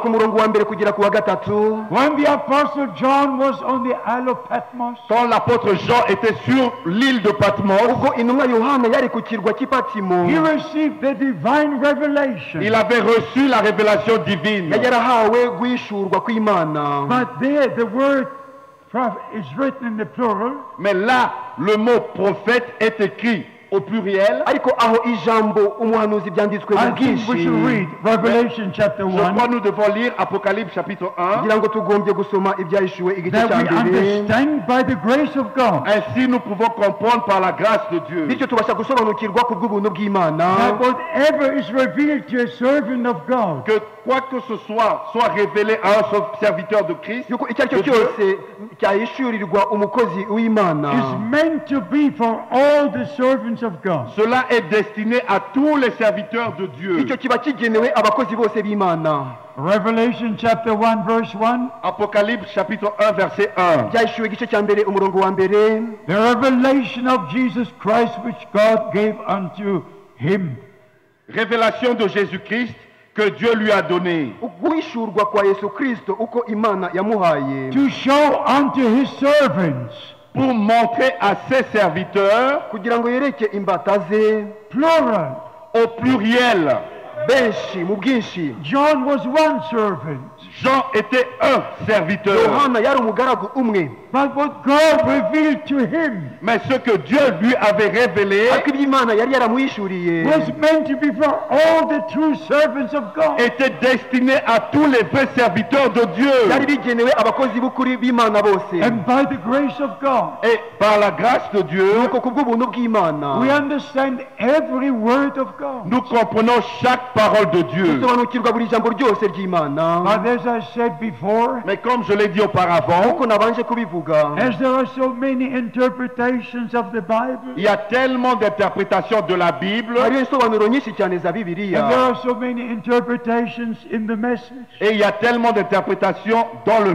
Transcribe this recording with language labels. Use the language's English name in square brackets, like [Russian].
[English] when the apostle John was on the Isle of Patmos, [French] quand l'apôtre Jean était sur l'île de Patmos, [English] he received the divine revelation. [French] Il avait reçu la révélation divine. [English] But there, the word prophet is written in the plural. [French] Mais là, le mot prophète est écrit au pluriel. [Kinyarwanda] Ariko aho ijambo umuhanuzi byanditswe mu bwinshi. [English] We should read Revelation chapter 1. [French] Je crois nous devons lire Apocalypse chapitre 1. [Kinyarwanda] Kugira ngo tugombye gusoma ibyahishuwe igice cya mbere. [English] That we understand by the grace of God. [French] Ainsi nous pouvons comprendre par la grâce de Dieu. [Kinyarwanda] Bityo tubasha gusobanukirwa ku bw'ubuntu bw'Imana. [English] That whatever is revealed to a servant of God. [French] Que quoi que ce soit révélé à un serviteur de Christ. [Kinyarwanda] Yuko icyo cyose cyahishurirwa umukozi w'Imana. [English] Is meant to be for all the servants of God. [French] Cela est destiné à tous les serviteurs de Dieu. [English] Revelation chapter 1 verse 1. [French] Apocalypse chapitre 1 verset 1. [English] The revelation of Jesus Christ which God gave unto him. [French] Révélation de Jésus-Christ que Dieu lui a donné. [English] To show unto his servants. [French] Pour montrer à ses serviteurs, [Kinyarwanda] kugira ngo yereke imbataze, [English] plural, [French] au pluriel, [Kinyarwanda] benshi, mu bwinshi. [English] John was one servant. [French] Jean était un serviteur. [Kinyarwanda] Yohana yari umugaragu umwe. [English] But what God revealed to him, [French] mais ce que Dieu lui avait révélé, [Kinyarwanda] akibimana yari yaramuhishuriye, [English] was meant to be for all the true servants of God. [French] Était destiné à tous les vrais serviteurs de Dieu. [Kinyarwanda] Yari bigenewe abakozi b'ukuri b'Imana bose. [English] And by the grace of God, [French] et par la grâce de Dieu, [Kinyarwanda] nuko kubw'ubuntu bw'Imana, [English] we understand every word of God. [French] Nous comprenons chaque parole de Dieu. [Kinyarwanda] Dusobanukirwa buri jambo ryose ry'Imana. [English] As I said before, [French] mais comme je l'ai dit auparavant, [English] As there are so many interpretations of the Bible, [French] il y a tellement d'interprétations de la Bible, [English] and there are so many interpretations in the message, [French] et il y a tellement d'interprétations dans le